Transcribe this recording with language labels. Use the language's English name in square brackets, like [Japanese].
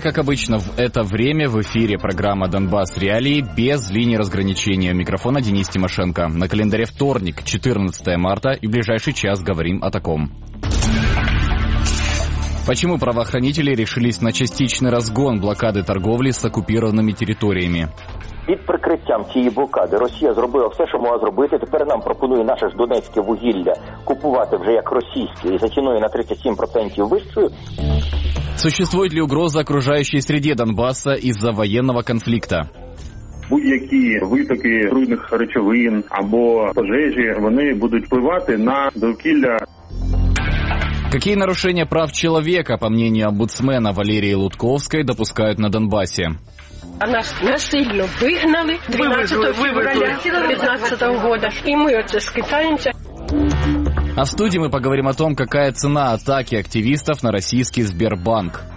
[Russian] Как обычно, в это время в эфире программа «Донбасс Реалии» без линии разграничения. Микрофона Денис Тимошенко. На календаре вторник, 14 марта, и в ближайший час говорим о таком. Почему правоохранители решились на частичный разгон блокады торговли с оккупированными территориями? [Ukrainian] Під прикриттям цієї блокади Росія зробила все, що могла зробити. Тепер нам пропонує наше ж донецьке вугілля купувати вже як російське і за ціною на 37% вищою. [Russian] Существует ли угроза окружающей среде Донбасса из-за военного конфликта? [Ukrainian] Будь-які витоки руйних речовин або пожежі, вони будуть впливати на довкілля. [Russian] Какие нарушения прав человека, по мнению омбудсмена Валерии Лутковской, допускают на Донбассе? [Ukrainian] А нас насильно вигнали 12 [Russian] февраля [Ukrainian] 2015 года. [Russian] И мы это скитаемся. А в студии мы поговорим о том, какая цена атаки активистов на российский Сбербанк.